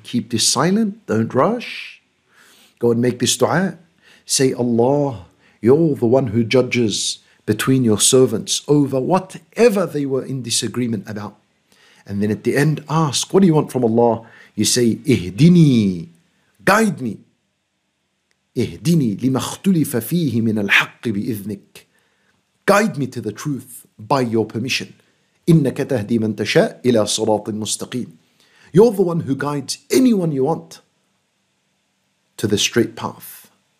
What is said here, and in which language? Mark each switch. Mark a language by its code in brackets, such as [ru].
[en] Keep this silent. Don't rush. Go and make this dua. Say, Allah, you're the one who judges between your servants over whatever they were in disagreement about. And then at the end, ask, what do you want from Allah? You say, [ar] اهدني, [en] guide me. [ar] اهدني لما اختلف فيه من الحق بإذنك. [en] Guide me to the truth by your permission. [ar] إِنَّكَ تَهْدِي مَنْ تَشَاءُ إِلَى صِرَاطٍ مُسْتَقِيمٍ. [en] You're the one who guides anyone you want to the straight path.